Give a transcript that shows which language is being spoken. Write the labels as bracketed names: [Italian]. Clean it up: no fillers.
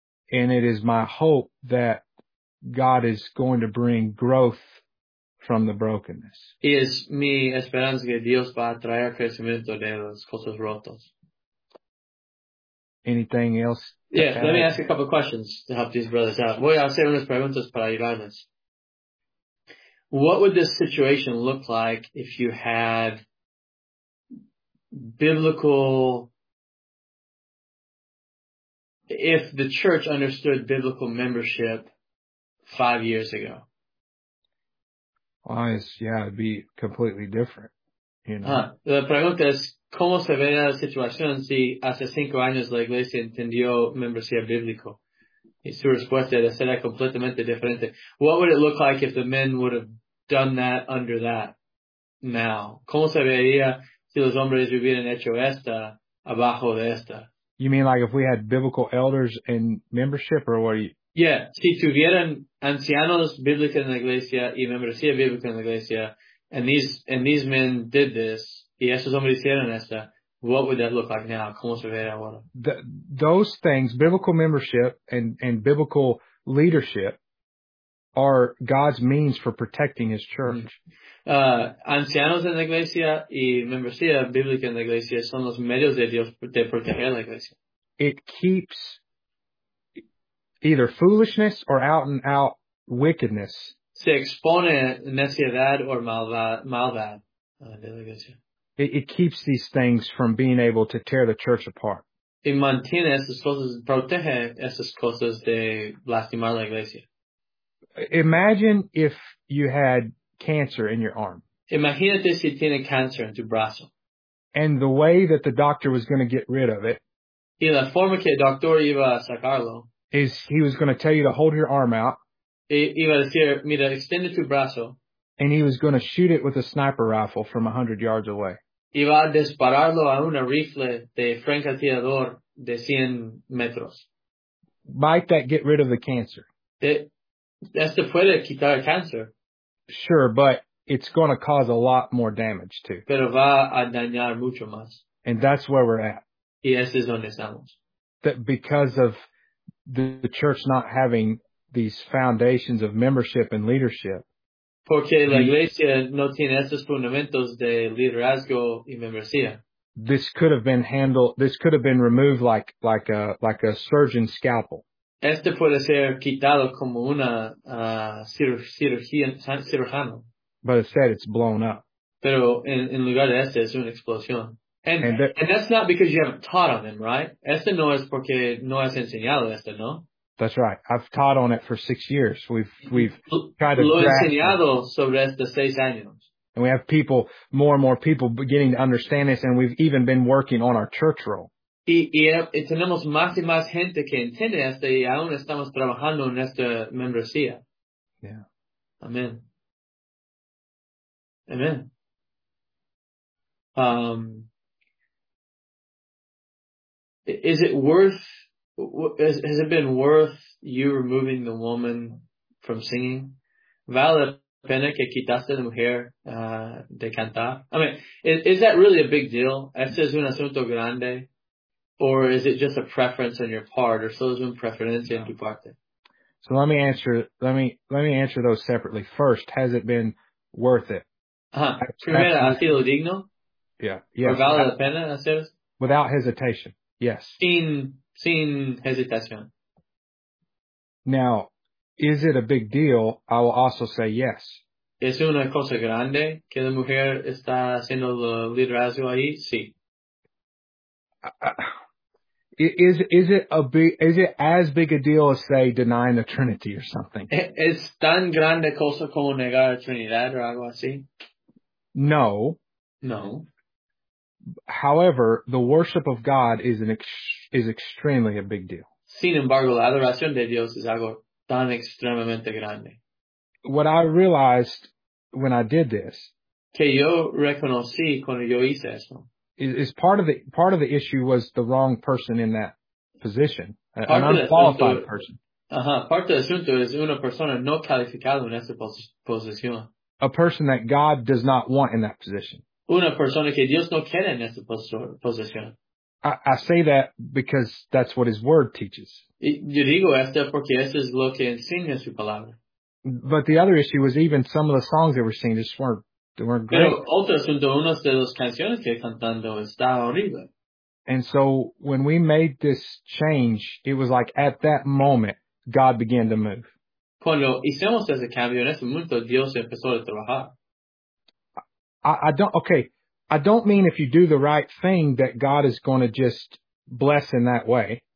[English] And it is my hope that God is going to bring growth from the brokenness. [Spanish] Y es mi esperanza que Dios va a traer crecimiento de las cosas rotas. [English] Anything else? Yeah, let me ask a couple of questions to help these brothers out. [Spanish] Voy a hacer unas preguntas para ayudarles. [English] What would this situation look like if you had if the church understood biblical membership 5 years ago? Well, it'd be completely different, you know. [Spanish] La pregunta es, ¿cómo se vería la situación si hace 5 años la iglesia entendió membresía bíblico? Y su respuesta sería completamente diferente. [English] What would it look like if the men would have done that under that now? [Spanish] ¿Cómo se vería si los hombres hubieran hecho esta abajo de esta? [English] You mean like if we had biblical elders in membership or what? [Spanish] Yeah, si tuvieran ancianos bíblicos en la iglesia y membresía bíblica en la iglesia, [English] and these men did this, [Spanish] y esos hombres hicieron esta, [English] what would that look like now? [Spanish] ¿Cómo se vería ahora? [English] Those things, biblical membership and biblical leadership, are God's means for protecting his church. [Spanish] Ancianos en la iglesia y membresía bíblica en la iglesia son los medios de Dios de proteger la iglesia. [English] It keeps either foolishness or out and out wickedness. [Spanish] Se expone necedad o maldad de la iglesia. [English] It keeps these things from being able to tear the church apart. [Spanish] Y mantiene esas cosas, protege esas cosas de lastimar la iglesia. [English] Imagine if you had cancer in your arm. [Spanish] Imagínate si tiene cáncer en tu brazo. [English] And the way that the doctor was going to get rid of it. [Spanish] Y la forma que el doctor iba a sacarlo. [English] Is he was going to tell you to hold your arm out. [Spanish] Iba a decir, mira, extiende tu brazo. [English] And he was going to shoot it with a sniper rifle from 100 yards away. [Spanish] Iba a dispararlo a una rifle de francotirador de 100 metros. [English] Might that get rid of the cancer? [Spanish] Esto puede quitar el cáncer. [English] Sure, but it's going to cause a lot more damage too. [Spanish] Pero va a dañar mucho más. [English] And that's where we're at. [Spanish] Y ese es donde estamos. [English] That because of the church not having these foundations of membership and leadership. [Spanish] Porque la iglesia no tiene esos fundamentos de liderazgo y membresía. [English] This could have been handled, this could have been removed like a surgeon scalpel. [Spanish] Este puede ser quitado como una cirujano. [English] But instead it's blown up. [Spanish] Pero en lugar de este es una explosión. [English] And that's not because you haven't taught on them, right? [Spanish] Este no es porque no has enseñado este, ¿no? [English] That's right. I've taught on it for 6 years. We've tried to [Spanish] lo enseñado sobre este 6 años. [English] And we have people, more and more people beginning to understand this, and we've even been working on our church role. [Spanish] Y tenemos más y más gente que entiende este, y aún estamos trabajando en esta membresía. [English] Yeah. [Spanish] Amén. Amén. [English] Is it worth, has it been worth you removing the woman from singing? [Spanish] ¿Vale la pena que quitaste la mujer de cantar? [English] I mean, is that really a big deal? [Spanish] ¿Este es un asunto grande? [English] Or is it just a preference on your part? [Spanish] ¿Or solo es una preferencia en tu parte? [English] So let me answer those separately. First, has it been worth it? [Spanish] Primero, ¿ha sido digno? [English] Yeah. Yes. [Spanish] ¿Or vale la pena hacer? [English] Without hesitation. Yes. [Spanish] Sin hesitación. [English] Now, is it a big deal? I will also say yes. [Spanish] ¿Es una cosa grande que la mujer está haciendo el liderazgo ahí? Sí. [English] Is it as big a deal as, say, denying the Trinity or something? [Spanish] ¿Es tan grande cosa como negar la Trinidad o algo así? [English] No. [Spanish] No. [English] However, the worship of God is extremely a big deal. [Spanish] Sin embargo, la adoración de Dios es algo tan extremadamente grande. [English] What I realized when I did this, [Spanish] que yo reconocí cuando yo hice eso, [English] is part of the issue was the wrong person in that position, an unqualified [Spanish] asunto, [English] person. [Spanish] Part del asunto es una persona no calificada en esa posición. [English] A person that God does not want in that position. [Spanish] Una persona que Dios no quiere en esta posición. [English] I say that because that's what his word teaches. [Spanish] Yo digo esto porque esto es lo que enseña su palabra. [English] But the other issue was even some of the songs they were singing just weren't great. [Spanish] Pero otro asunto, una de las canciones que cantando está horrible. [English] And so when we made this change, it was like at that moment, God began to move. [Spanish] Cuando hicimos ese cambio, en ese momento Dios empezó a trabajar. [English] I don't mean if you do the right thing that God is going to just bless in that way.